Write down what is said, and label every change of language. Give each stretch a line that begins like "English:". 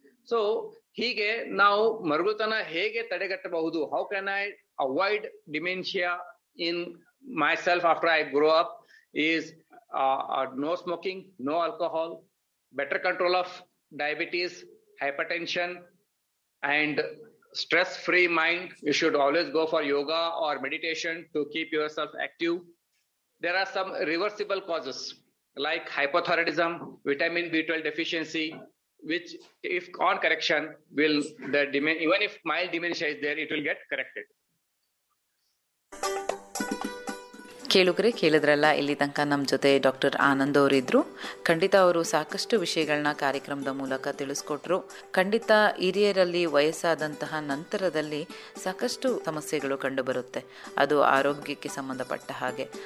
English: so
Kannada: ಹೀಗೆ ನಾವು ಮರಳುತನ ಹೇಗೆ ತಡೆಗಟ್ಟಬಹುದು,
English: How can I avoid dementia in myself after I grow up, is no smoking, no alcohol, better control of diabetes, hypertension and stress free mind. You should always go for yoga or meditation to keep yourself active. There are some reversible causes like hypothyroidism, vitamin B12 deficiency, which if on correction will the even if mild dementia is there it will get corrected.
Kannada: ಕೇಳುಗರೆ ಕೇಳಿದ್ರಲ್ಲ, ಇಲ್ಲಿ ತನಕ ನಮ್ಮ ಜೊತೆ doctor Anand ಅವರಿದ್ರು. ಖಂಡಿತ ಅವರು ಸಾಕಷ್ಟು ವಿಷಯಗಳನ್ನ ಕಾರ್ಯಕ್ರಮದ ಮೂಲಕ ತಿಳಿಸ್ಕೊಟ್ರು. ಖಂಡಿತ ಹಿರಿಯರಲ್ಲಿ ವಯಸ್ಸಾದಂತಹ ನಂತರದಲ್ಲಿ ಸಾಕಷ್ಟು ಸಮಸ್ಯೆಗಳು ಕಂಡುಬರುತ್ತೆ, ಅದು ಆರೋಗ್ಯಕ್ಕೆ ಸಂಬಂಧಪಟ್ಟ ಹಾಗೆ.